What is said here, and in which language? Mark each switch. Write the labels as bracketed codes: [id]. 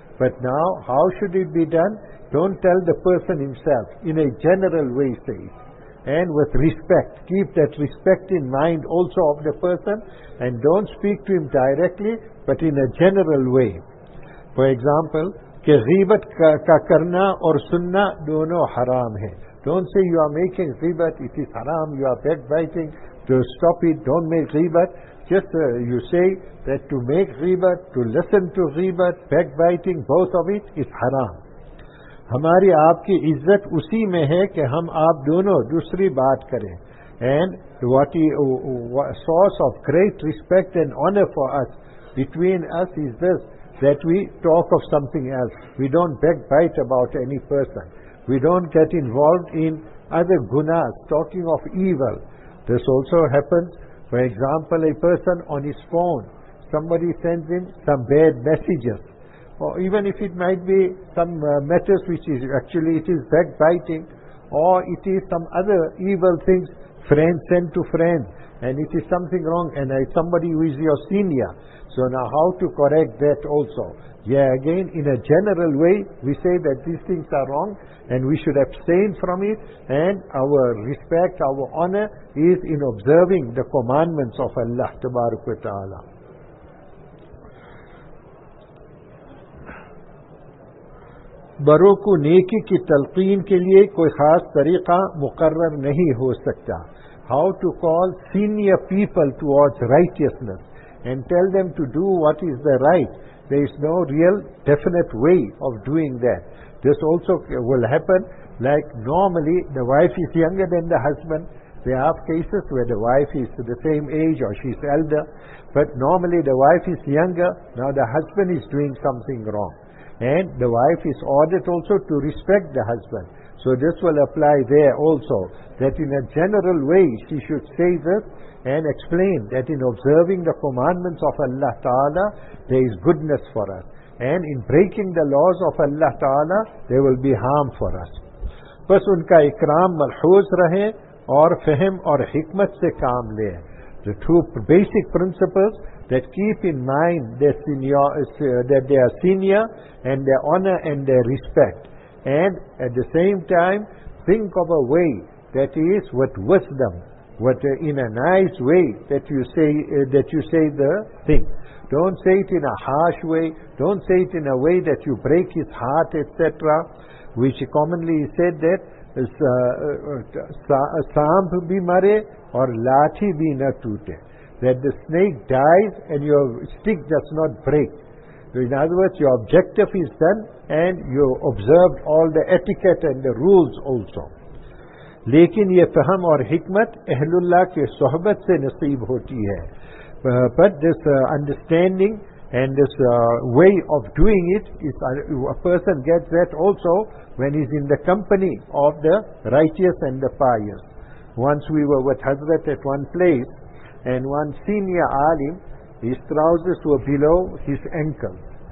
[en] But now, how should it be done? Don't tell the person himself. In a general way, say it. And with respect. Keep that respect in mind also of the person. And don't speak to him directly, but in a general way. For example, [ur] کہ غیبت کا کرنا اور سننا دونوں حرام ہیں. [en] Don't say you are making غیبت, it is حرام. You are backbiting, to stop it, don't make غیبت. Just you say that to make غیبت, to listen to غیبت, backbiting, both of it is حرام. [ur] ہماری آپ کی عزت اسی میں ہے کہ ہم آپ دونوں دوسری بات کریں. [en] And what is source of great respect and honor for us, between us, is this, that we talk of something else. We don't backbite about any person. We don't get involved in other gunas, talking of evil. This also happens, for example, a person on his phone, somebody sends him some bad messages. Or even if it might be some matters which is actually it is backbiting, or it is some other evil things, friend sent to friend, and it is something wrong, and somebody who is your senior. So now how to correct that also? Yeah, again, in a general way, we say that these things are wrong, and we should abstain from it, and our respect, our honor, is in observing the commandments of Allah, Tabarak wa Ta'ala. [ur] بروں کو نیکی کی تلقین کے لیے کوئی خاص طریقہ مقرر نہیں ہو سکتا. [en] How to call senior people towards righteousness and tell them to do what is the right? There is no real definite way of doing that. This also will happen, like normally the wife is younger than the husband. There are cases where the wife is the same age or she is elder, but normally the wife is younger. Now the husband is doing something wrong, and the wife is ordered also to respect the husband. So this will apply there also, that in a general way she should say this and explain that in observing the commandments of Allah Ta'ala, there is goodness for us. And in breaking the laws of Allah Ta'ala, there will be harm for us. [ur] بس ان کا اکرام ملحوظ رہے اور فہم اور حکمت سے کام لے. [en] The two basic principles, that keep in mind their senior, that they are senior, and their honor and their respect. And at the same time, think of a way that is with wisdom, with in a nice way that you say the thing. Don't say it in a harsh way. Don't say it in a way that you break his heart, etc. Which commonly is said that [ur] saamp bhi mare aur laathi bhi na toote. [en] That the snake dies and your stick does not break. So in other words, your objective is done and you observed all the etiquette and the rules also. [ur] لیکن یہ فہم اور حکمت اہل اللہ کے صحبت سے نصیب ہوتی ہے. [en] But this understanding and this way of doing it, is a person gets that also when he's in the company of the righteous and the pious. Once we were with Hazrat at one place, and one senior alim, his trousers were below his ankles.